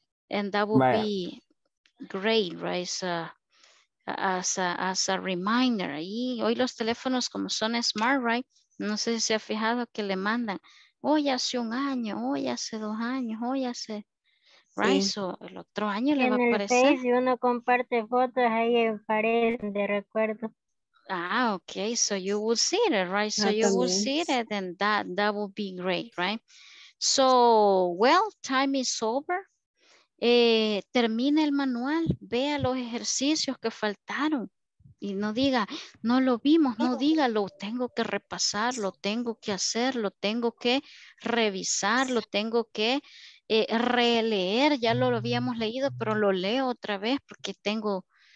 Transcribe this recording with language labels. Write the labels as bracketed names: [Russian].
[English] And that would be great, right? As a reminder. [Spanish] Ahí, hoy los teléfonos como son smart, right? No sé si se ha fijado que le mandan. Hoy hace un año, hoy hace dos años, hoy hace... Right, sí. So el otro año le va a aparecer. En el Face, uno comparte fotos ahí en pared de recuerdo. [English] Ah, okay, so you will see it, right? So you will see it, and that will be great, right? So, well, time is over. [Spanish] Termina el manual, vea los ejercicios que faltaron y no diga, no lo vimos, no diga, lo tengo que repasar, lo tengo que hacer, lo tengo que revisar, lo tengo que releer, ya lo habíamos leído, pero lo leo otra vez porque tengo...